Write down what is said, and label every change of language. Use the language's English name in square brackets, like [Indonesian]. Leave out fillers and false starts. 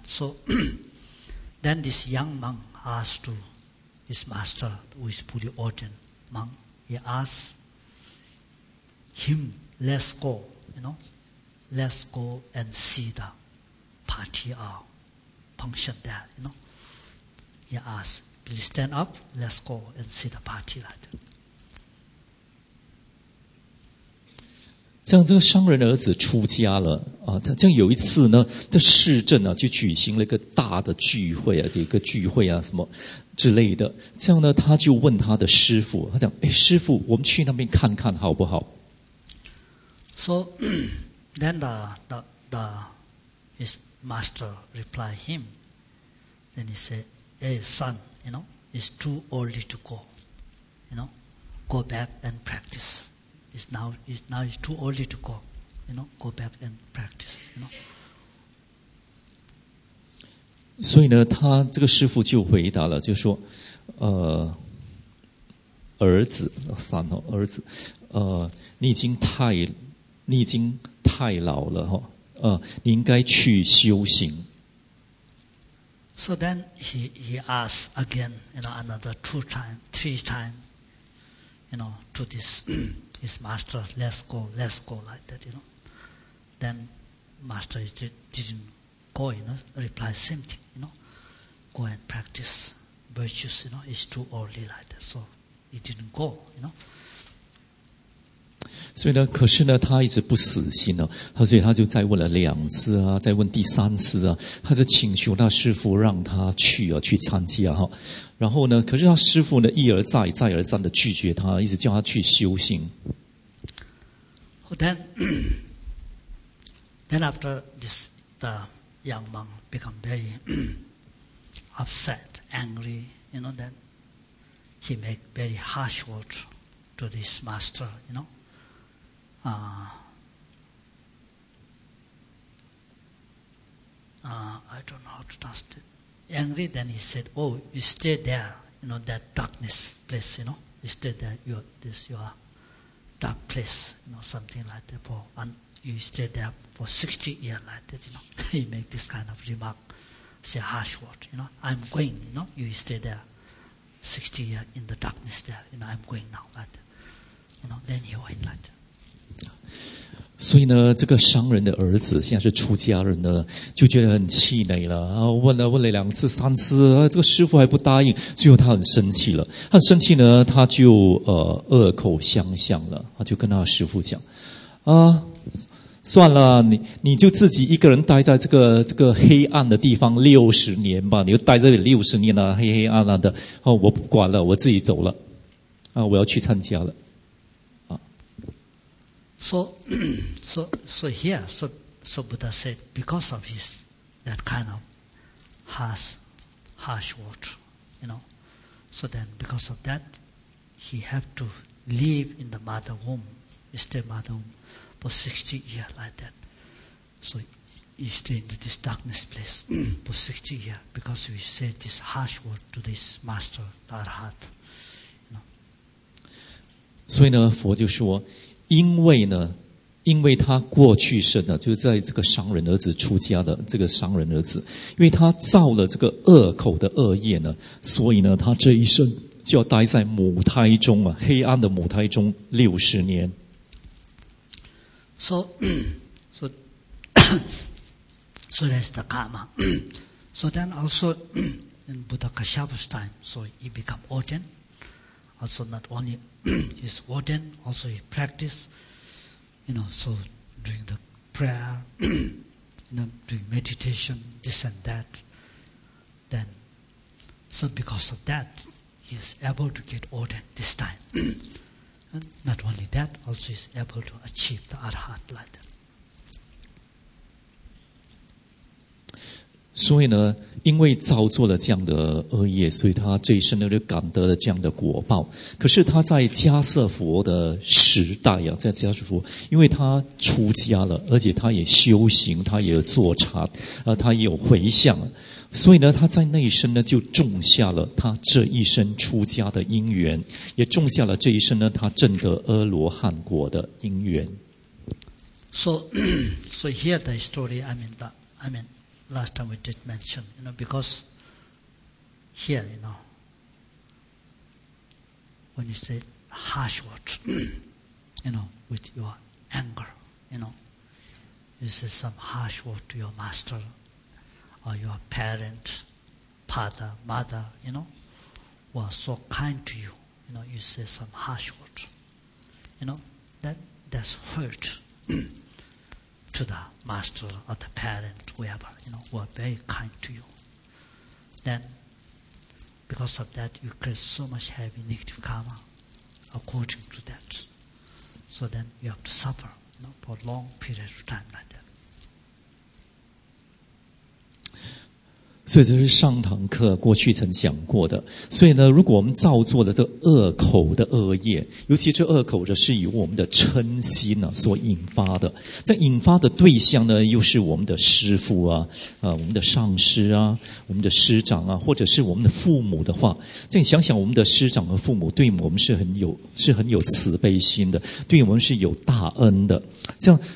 [English] So then this young monk asked to his master, who is fully ordained monk, he asked him, let's go. You know, let's go and see the party or function there. You know, he asked, please stand up, let's go and see the party. That. [Chinese] 这样，这个商人的儿子出家了啊。他这样有一次呢，这市政啊就举行了一个大的聚会啊，一个聚会啊什么之类的。这样呢，他就问他的师父，他讲：“哎，师父，我们去那边看看好不好？” [English] So then the his master replied him. Then he said, "Hey son, you know, it's too early to go. You know, go back and practice. It's now too early to go. You know, go back and practice. You know." [Chinese] 所以呢，他这个师父就回答了，就说，儿子 ，son 哦，儿子，你已经太老了，你应该去修行。 [English] So then he asked again, you know, another two time, three time, you know, to this his master, let's go, like that, you know. Then master didn't go, you know, reply same thing, you know, go and practice virtues, you know, it's too early like that, so he didn't go, you know. [Chinese] 所以呢，可是呢，他一直不死心哦，所以他就再问了两次啊，再问第三次啊，他就请求那师父让他去啊，去参加哈、啊。然后呢，可是他师父呢一而再、再而三的拒绝他，一直叫他去修行。 [English] Then after this, the young monk become very upset, angry. You know, then he make very harsh words to this master. You know. I don't know how to translate. Angry, then he said, oh, you stay there, you know, that darkness place, you know. You stay there, your dark place, you know, something like that. You stay there for 60 years like that, you know. He make this kind of remark, say harsh word, you know. I'm going, you know, you stay there 60 years in the darkness there, you know, I'm going now, like that. You know, then he went like that. [Chinese] 所以呢，这个商人的儿子现在是出家人呢，就觉得很气馁了。然后问了问了两次、三次，这个师父还不答应，最后他很生气了。他生气呢，他就恶口相向了，他就跟他师父讲：“啊，算了，你就自己一个人待在这个黑暗的地方六十年吧，你就待在这里六十年了，黑黑暗暗的。哦，我不管了，我自己走了，啊，我要去参加了。” [English] So here, so Buddha said, because of his that kind of harsh word, you know, so then because of that, he have to live in the mother womb, stay mother womb for 60 years like that. So he stay in this darkness place for 60 years because he said this harsh word to this master, the Arhat. You know. [Chinese] 所以呢，佛就说。因为呢，因为他过去生呢，就是在这个商人儿子出家的这个商人儿子，因为他造了这个恶口的恶业呢，所以呢，他这一生就要待在母胎中啊，黑暗的母胎中六十年。 [English] So so that's the karma. So then also in Buddha Kashyapa's time, so he become ordained. Also not only. He's warden, also he practice, you know, so doing the prayer, you know, doing meditation, this and that. Then, so because of that, he is able to get ordained this time. And not only that, also he's able to achieve the arhat like that. [Chinese] 所以呢，因为造作了这样的恶业，所以他这一生呢就感得了这样的果报。可是他在迦瑟佛的时代啊，在迦瑟佛，因为他出家了，而且他也修行，他也做禅，他也有回向，所以呢，他在那一生呢就种下了他这一生出家的因缘，也种下了这一生呢他证得阿罗汉果的因缘。 [English] So here the story, I mean. Last time we did mention, you know, because here, you know, when you say harsh words, you know, with your anger, you know, you say some harsh word to your master or your parent, father, mother, you know, who are so kind to you, you know, you say some harsh word, you know, that's hurt. To the master or the parent, whoever, you know, who are very kind to you. Then, because of that, you create so much heavy negative karma according to that. So then you have to suffer, you know, for a long period of time like that. [Chinese] 所以这是上堂课过去曾讲过的。所以呢，如果我们造作的这恶口的恶业，尤其这恶口的是由我们的嗔心啊所引发的，在引发的对象呢，又是我们的师父啊，我们的上师啊，我们的师长啊，或者是我们的父母的话，再想想我们的师长和父母对我们是很有慈悲心的，对我们是有大恩的，这样。